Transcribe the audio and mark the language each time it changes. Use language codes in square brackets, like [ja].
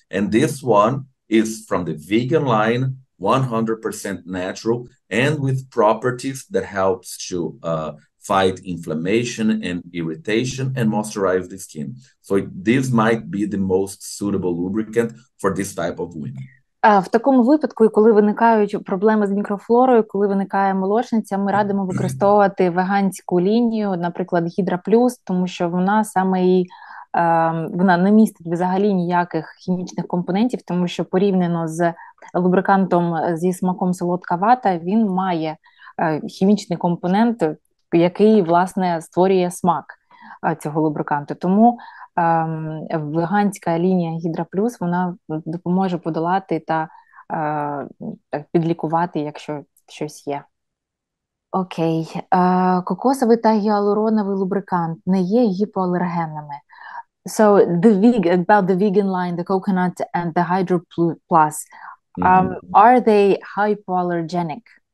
[en] And this one is from the vegan line, 100% natural, and with properties that helps to fight inflammation and irritation and moisturize the skin. So this might be the most suitable lubricant for this type of women. [uk] В такому випадку, коли виникають проблеми з мікрофлорою, коли виникає молочниця, ми радимо використовувати веганську лінію, наприклад, Гідра Плюс, тому що вона саме і вона не містить взагалі ніяких хімічних компонентів, тому що порівняно з лубрикантом зі смаком солодка вата, він має хімічний компонент, який, власне, створює смак цього лубриканту. Тому веганська лінія Гідра Плюс, вона допоможе подолати та підлікувати, якщо щось є. Окей. Кокосовий та гіалуроновий лубрикант не є гіпоалергенами. [en] So, the vegan, about the vegan line, the coconut and the Hydro Plus, are they hypoallergenic?